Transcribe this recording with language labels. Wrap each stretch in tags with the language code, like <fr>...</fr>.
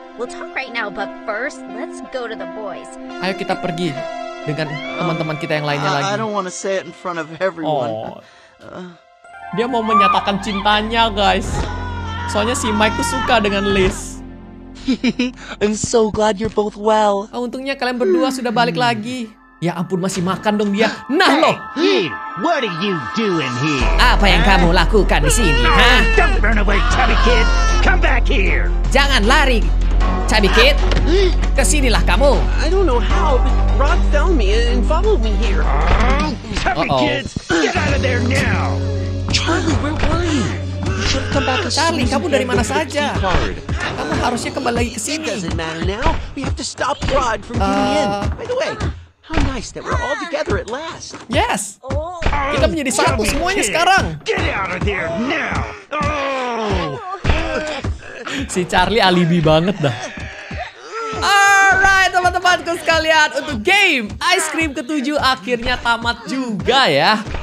<en>We'll talk right now, but first let's go to the boys.</en> <id>Ayo kita pergi dengan teman-teman kita yang lainnya lagi.</id> <en>I don't want to say it in front of everyone.</en> <id>Oh. Dia mau menyatakan cintanya, guys. Soalnya si Mike tuh suka dengan Liz.</id> <en>I'm so glad you're both well.</en> <id>Oh, untungnya kalian berdua sudah balik lagi. Ya ampun, masih makan dong dia. Nah lo.</id> <en>What are you doing here?</en> <id>Apa yang kamu lakukan di sini, ha?</id> <en>Don't run away, chubby kid. Come back here.</en> <id>Jangan lari,</id> <en>chubby kid.</en> <id>Kesinilah kamu.</id> <en>I don't know how, but Rod found me and followed me here. Chubby kid, get out of there now. Charlie, where were you?</en> <id>Charlie, kamu dari mana saja? Kamu harusnya kembali lagi ke sini.</id> <en>Doesn't matter now. We have to stop Rod from getting in. By the way, how nice that we're all together at last. Yes.</en> <id>Kita menjadi satu semuanya sekarang.</id> <en>Get out of there now.</en> <id>Si Charlie alibi banget dah. Alright, teman-temanku sekalian, untuk game Ice Cream ke-7 akhirnya tamat juga ya.</id>